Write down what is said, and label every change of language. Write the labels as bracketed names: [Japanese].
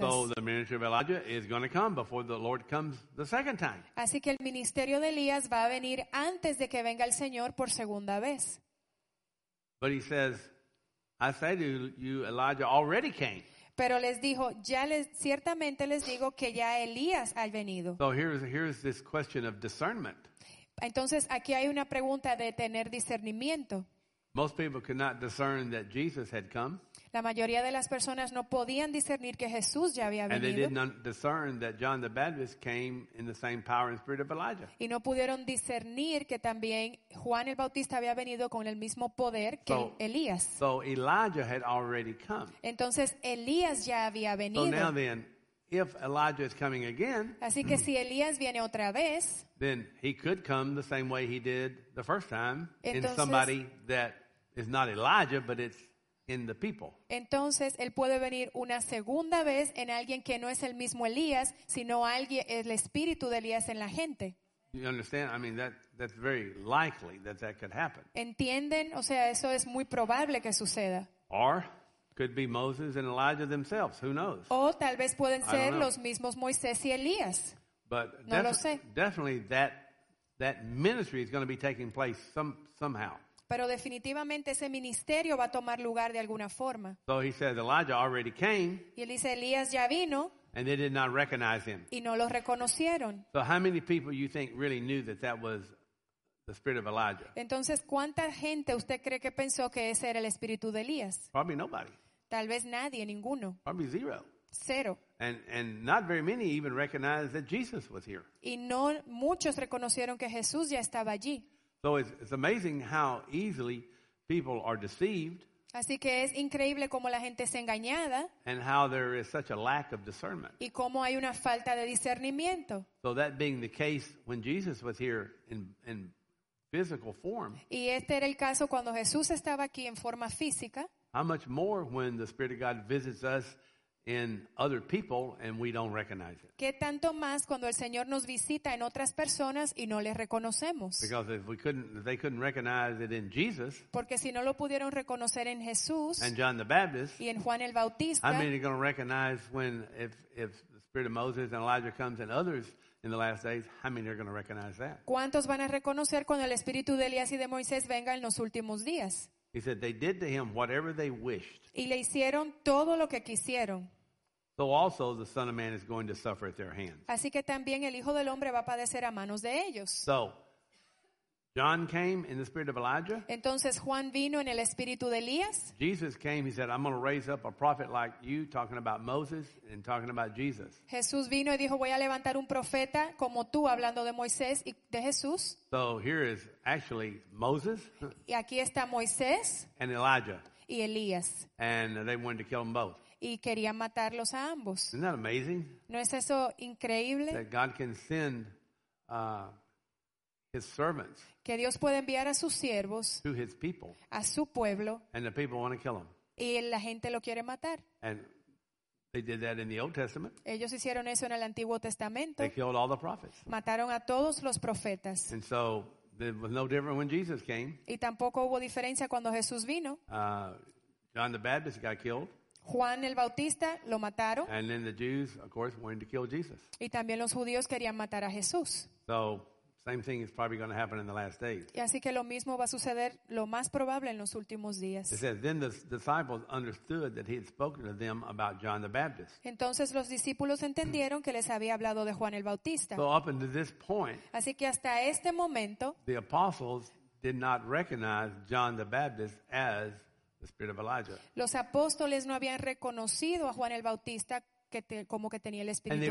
[English] So the ministry of Elijah is going to come before the Lord comes the second time. [Spanish] Así que el ministerio de Elías va a venir antes de que venga el Señor por segunda vez. [English] But he says, I say to you, Elijah already came. [Spanish] Pero les dijo, ya les ciertamente les digo que ya Elías ha venido. [English] So here's this question of discernment. [Spanish] Entonces aquí hay una pregunta de tener discernimiento. [English] Most people could not discern that Jesus had come. [Spanish] La mayoría de las personas no podían discernir que Jesús ya había venido. [English] And they did not discern that John the Baptist came in the same power and spirit of Elijah. [Spanish] Y no pudieron discernir que también Juan el Bautista había venido con el mismo poder que Elías. [English] So Elijah had already come. [Spanish] Entonces Elías ya había venido. [English] So now then, if Elijah is coming again, [Spanish] así que si Elías viene otra vez, [English] then he could come the same way he did the first time in somebody that is not Elijah, but it's in the people. [Spanish] Entonces él puede venir una segunda vez en alguien que no es el mismo Elías, sino alguien el espíritu de Elías en la gente. [English] You understand? I mean that's very likely that could happen. [Spanish] ¿Entienden? O sea, eso es muy probable que suceda. [English] Or could be Moses and Elijah themselves. Who knows? [Spanish] O tal vez pueden ser los mismos Moisés y Elías. [English] But [Spanish] no lo sé. [English] Definitely that ministry is going to be taking place somehow. [Spanish] Pero definitivamente ese ministerio va a tomar lugar de alguna forma. [English] So he says, Elijah already came, [Spanish] y él dice, Elías ya vino. [English] And they did not recognize him. [Spanish] Y no lo reconocieron. [English] So how many people you think really knew that was the spirit of Elijah? [Spanish] Entonces, ¿cuánta gente usted cree que pensó que ese era el espíritu de Elías? [English] Probably nobody. [Spanish] Tal vez nadie, ninguno. [English] Probably zero. [Spanish] Cero. [English] And not very many even recognized that Jesus was here. [Spanish] Y no muchos reconocieron que Jesús ya estaba allí. [English] So it's amazing how easily people are deceived. [Spanish] Así que es increíble cómo la gente es engañada. [English] And how there is such a lack of discernment. [Spanish] Y cómo hay una falta de discernimiento. [English] So that being the case when Jesus was here in physical form. [Spanish] Y este era el caso cuando Jesús estaba aquí en forma física. [English] How much more when the Spirit of God visits us in other people and we don't recognize it. [Spanish] ¿Qué tanto más cuando el Señor nos visita en otras personas y no les reconocemos? [English] Because if they couldn't recognize it in Jesus. [Spanish] Porque si no lo pudieron reconocer en Jesús. [English] And John the Baptist. [Spanish] Y en Juan el Bautista. [English] How many are going to recognize when if the spirit of Moses and Elijah comes and others in the last days, how many are going to recognize that? [Spanish] ¿Cuántos van a reconocer cuando el espíritu de Elías y de Moisés venga en los últimos días? [English] He said they did to him whatever they wished. [Spanish] Y le hicieron todo lo que quisieron. [English] So also the Son of Man is going to suffer at their hands. [Spanish] Así que también el Hijo del Hombre va a padecer a manos de ellos. [English] So John came in the spirit of Elijah. [Spanish] Entonces Juan vino en el espíritu de Elías. [English] Jesus came, he said, I'm going to raise up a prophet like you, talking about Moses and talking about Jesus. [Spanish] Jesús vino y dijo, voy a levantar un profeta como tú, hablando de Moisés y de Jesús. [English] So here is actually Moses. [Spanish] Y aquí está Moisés. [English] And Elijah. [Spanish] Y Elías. [English] And they wanted to kill them both. [Spanish] Y querían matarlos a ambos. [English] Isn't that amazing? [Spanish] ¿No es eso increíble? [English] That God can send His servants, [Spanish] que Dios puede enviar a sus siervos, [English] to his people, [Spanish] a su pueblo, [English] and the people want to kill him, [Spanish] y la gente lo quiere matar. [English] And they did that in the Old Testament. [Spanish] Ellos hicieron eso en el Antiguo Testamento. [English] They killed all the prophets. [Spanish] Mataron a todos los profetas. [English] And so there was no difference when Jesus came. [Spanish] Y tampoco hubo diferencia cuando Jesús vino. [English] John the Baptist got killed. [Spanish] Juan el Bautista lo mataron. [English] And then the Jews, of course, wanted to kill Jesus. [Spanish] Y también los judíos querían matar a Jesús. [English] So, same thing is probably going to happen in the last days. [Spanish] Y así que lo mismo va a suceder, lo más probable, en los últimos días. [English] It says, then the disciples understood that he had spoken to them about John the Baptist. [Spanish] Entonces los discípulos entendieron que les había hablado de Juan el Bautista. [English] So up until this point, [Spanish] así que hasta este momento, [English] the apostles did not recognize John the Baptist as the spirit of Elijah. [Spanish] Los apóstoles no habían reconocido a Juan el Bautista como que tenía el espíritu